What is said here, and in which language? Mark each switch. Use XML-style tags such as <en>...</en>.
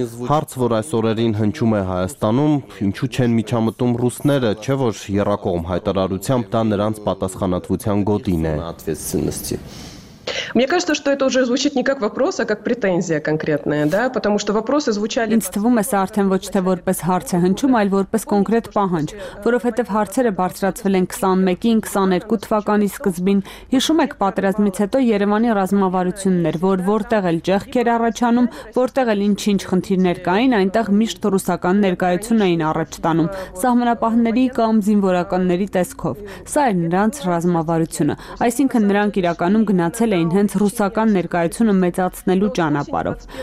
<hy>Հարց, որ այս օրերին հնչում է Հայաստանում, ինչու չեն միջամտում ռուսները, չէ՞ որ եռակողմ հայտարարությամբ դա նրանց պատասխանատվության գոտին է։</hy> <ru>Мне кажется, что это уже звучит не как вопрос, а как претензия конкретная, да? Потому что вопросы звучали.</ru> <hy>Ինձ թվում է, սա արդեն ոչ թե որպես հարց է հնչում, այլ որպես կոնկրետ պահանջ, որովհետև հարցերը բարձրացվել են 21-ին, 22 թվականի սկզբին։ Հիշում եք, պատերազմից հետո Երևանի ռազմավարությունն էր, որ որտեղ էլ ճեղքեր առաջանում, որտեղ էլ ինչ-ինչ խնդիրներ կային, այնտեղ միշտ ռուսական ներկայություն էին առաջ տանում, սահմանապահների կամ զինվորականների տեսքով։ Սա էր նրանց ռազմավարությունը, այսինքն նրանք իրականում գնացել էին հենց ռուսական ներկայությունը մեծացնելու ճանապարով,</hy>